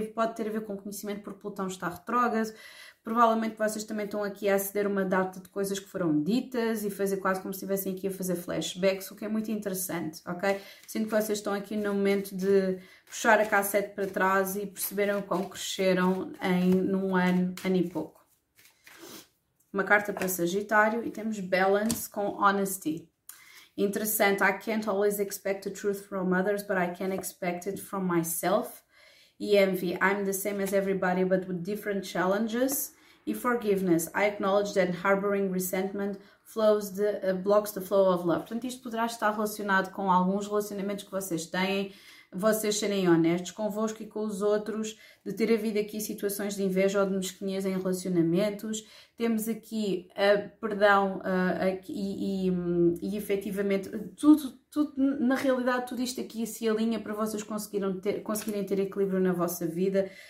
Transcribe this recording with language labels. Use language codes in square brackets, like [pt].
[pt] Pode ter a ver com conhecimento, porque Plutão está retrógrado. Provavelmente vocês também estão aqui a aceder uma data de coisas que foram ditas e fazer quase como se estivessem aqui a fazer flashbacks, o que é muito interessante, ok? Sinto que vocês estão aqui no momento de puxar a cassete para trás e perceberam como cresceram num ano, ano e pouco. Uma carta para Sagitário e temos Balance com Honesty. Interessante. [en] I can't always expect the truth from others, but I can expect it from myself. E envy, I'm the same as everybody, but with different challenges. E forgiveness, I acknowledge that harboring resentment blocks the flow of love. [pt] Portanto, isto poderá estar relacionado com alguns relacionamentos que vocês têm, vocês serem honestos convosco e com os outros, de ter havido aqui situações de inveja ou de mesquinhez em relacionamentos. Temos aqui perdão e efetivamente tudo, na realidade, tudo isto aqui se alinha para vocês conseguirem ter equilíbrio na vossa vida.